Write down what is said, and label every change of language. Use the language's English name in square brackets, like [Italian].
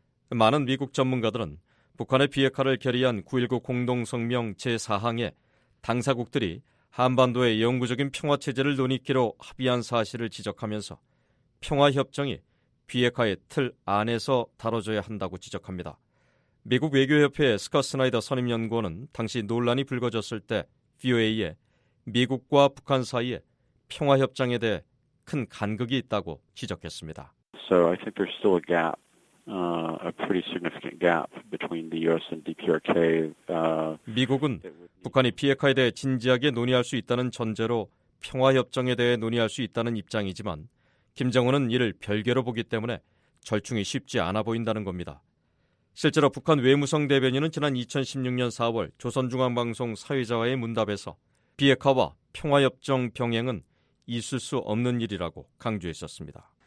[Korean] 많은 미국 전문가들은 북한의 비핵화를 결의한 9.19 공동성명 제4항에 당사국들이 한반도의 영구적인 평화체제를 논의키로 합의한 사실을 지적하면서 평화협정이 비핵화의 틀 안에서 다뤄져야 한다고 지적합니다. 미국 외교협회의 스컷 스나이더 선임연구원은 당시 논란이 불거졌을 때 VOA에 미국과 북한 사이에 평화협정에 대해 큰 간극이 있다고 지적했습니다. [English] So I think there's still a gap. A pretty significant gap between the U.S. and DPRK. [Korean] 미국은 북한이 비핵화에 대해 진지하게 논의할 수 있다는 전제로 평화협정에 대해 논의할 수 있다는 입장이지만 김정은은 이를 별개로 보기 때문에 절충이 쉽지 않아 보인다는 겁니다. 실제로 북한 외무성 대변인은 지난 2016년 4월 조선중앙방송 사회자와의 문답에서 비핵화와 평화협정 병행은 있을 수 없는 일이라고 강조했었습니다.